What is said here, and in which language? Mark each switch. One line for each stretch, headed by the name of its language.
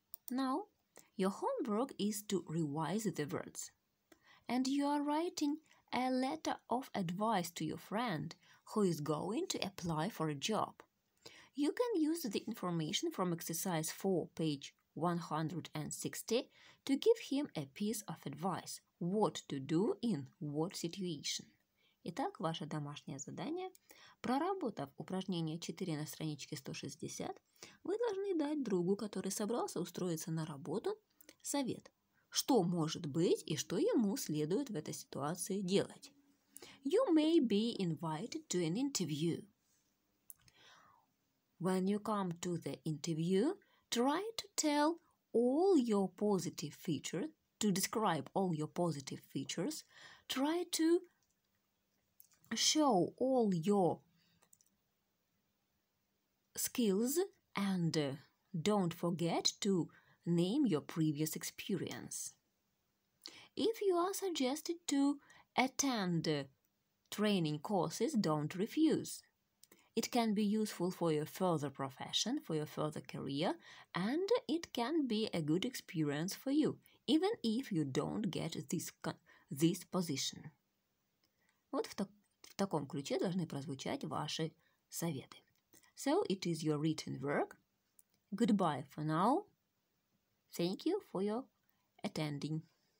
English: Now your homework is to revise the words, and you are writing a letter of advice to your friend who is going to apply for a job. You can use the information from exercise 4, page 160, to give him a piece of advice, what to do in what situation.
Russian: Итак, ваше домашнее задание. Проработав упражнение 4 на страничке 160, вы должны дать другу, который собрался устроиться на работу, совет, что может быть и что ему следует в этой ситуации делать.
English: You may be invited to an interview. When you come to the interview, try to tell all your positive features, to describe all your positive features. Try to show all your skills and don't forget to name your previous experience. If you are suggested to attend training courses, don't refuse. It can be useful for your further profession, for your further career, and it can be a good experience for you, even if you don't get this position.
Russian: Вот в таком ключе должны прозвучать ваши советы.
English: So, it is your written work. Goodbye for now. Thank you for your attending.